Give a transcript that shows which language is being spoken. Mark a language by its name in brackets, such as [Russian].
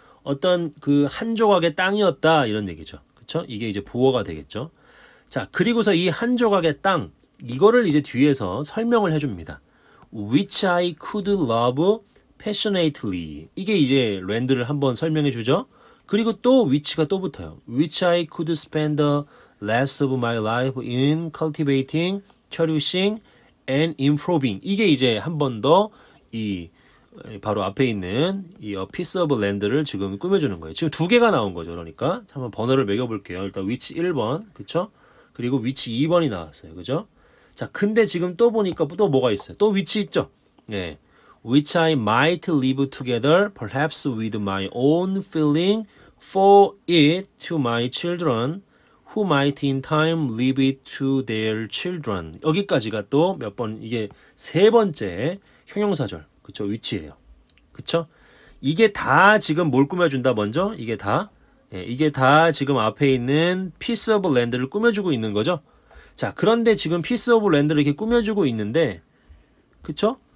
[Korean] 어떤 그 한 조각의 땅이었다 이런 얘기죠. 그렇죠? 이게 이제 보어가 되겠죠. 자, 그리고서 이 한 조각의 땅 이거를 이제 뒤에서 설명을 해줍니다. [English] Which I could love passionately. [Korean] 이게 이제 랜드를 한번 설명해 주죠. 그리고 또 which가 또 붙어요. [English] Which I could spend the rest of my life in cultivating, cherishing, and improving. [Korean] 이게 이제 한번 더 이 바로 앞에 있는 이 A piece of land를 지금 꾸며주는 거예요. 지금 두 개가 나온 거죠. 그러니까 한번 번호를 매겨볼게요. 일단 which 1번, 그쵸? 그리고 which 2번이 나왔어요. 그죠? 자, 근데 지금 또 보니까 또 뭐가 있어요? 또 위치 있죠? 예. [English] Which I might live together, perhaps with my own feeling for it to my children, who might in time leave it to their children. [Korean] 여기까지가 또 몇 번, 이게 세 번째 형용사절. 그쵸? 위치예요. 그쵸? 이게 다 지금 뭘 꾸며준다, 먼저? 이게 다? 예, 이게 다 지금 앞에 있는 piece of land를 꾸며주고 있는 거죠? 자, 그런데 지금 피스 오브 랜드를 이렇게 꾸며주고 있는데 그쵸?